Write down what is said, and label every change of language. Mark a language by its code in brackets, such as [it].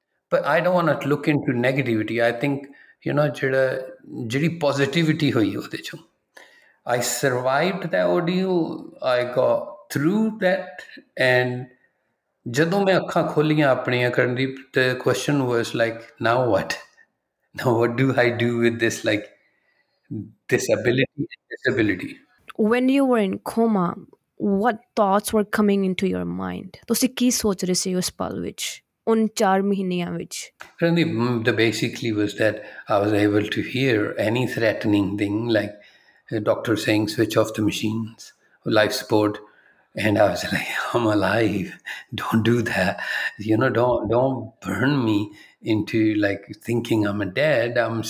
[en] ਪਰ I don't want to look into negativity I think you know [pa] ਜਿਹੜਾ ਜਿਹੜੀ positivity ਹੋਈ ਉਹਦੇ 'ਚੋਂ [en] I ਸਰਵਾਈਵਡ that audio I go through that and [pa] ਜਦੋਂ ਮੈਂ ਅੱਖਾਂ ਖੋਲੀਆਂ ਆਪਣੀਆਂ ਕਰਨ ਦੀ ਤਾਂ [en] Question was like now what ਨਾ what do I do with this like disability When you were in coma, what thoughts were coming into your mind? [pa] ਤੁਸੀਂ ਕੀ ਸੋਚ ਰਹੇ ਸੀ ਉਸ ਪਲ ਵਿੱਚ ਉਨ ਚਾਰ ਮਹੀਨਿਆਂ ਵਿੱਚ? [en] Randeep, the basically was that I was able to hear any threatening thing like a doctor saying switch off the machines, life support, and I was like, I'm alive, don't do that. You know, don't burn me into like thinking I'm dead.